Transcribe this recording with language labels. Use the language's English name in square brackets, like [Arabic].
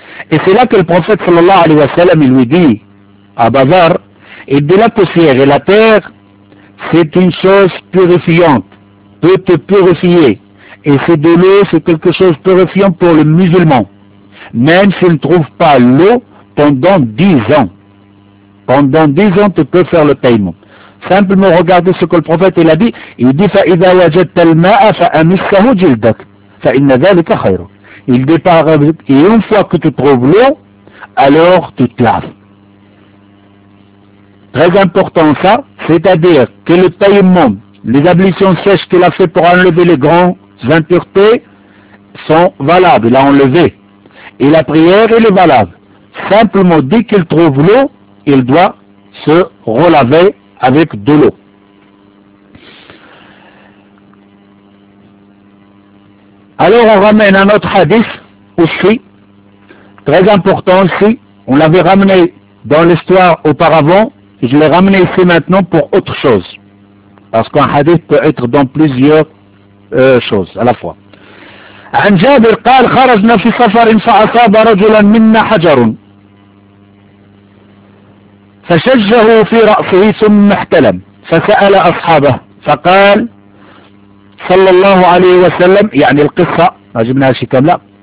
[French] Et c'est là que le prophète, sallallahu alayhi wa sallam, il lui dit, à Abu Dhar, il dit, la poussière et la terre, c'est une chose purifiante, peut te purifier. Et c'est de l'eau, c'est quelque chose de purifiant pour le musulman. Même s'il ne trouve pas l'eau pendant 10 ans. Pendant 10 ans, tu peux faire le taïmoum. Simplement, regardez ce que le prophète, il a dit. Il dit, [Arabic] فَإِذَا وَجَدْتَ الْمَاءَ فَأَمِسَّهُ جِلْدَكَ فَإِنَّ ذَلِكَ خَيْرٌ. [French] Il dit, et une fois que tu trouves l'eau, alors tu te laves. Très important ça, c'est-à-dire que le taïmoum, les ablutions sèches qu'il a fait pour enlever les grandes impuretés, sont valables, il a enlevé. Et la prière, elle est valable. Simplement, dès qu'il trouve l'eau, il doit se relaver avec de l'eau. Alors, on ramène un autre hadith aussi, très important aussi. On l'avait ramené dans l'histoire auparavant, et je l'ai ramené ici maintenant pour autre chose. Parce qu'un hadith peut être dans plusieurs choses à la fois. [Arabic] عن جابر قال خرجنا في سفر فأصاب رجلا منا حجر فشجه في رأسه ثم احتلم فسأل أصحابه فقال صلى الله عليه وسلم يعني القصة ما جبناها شي كاملة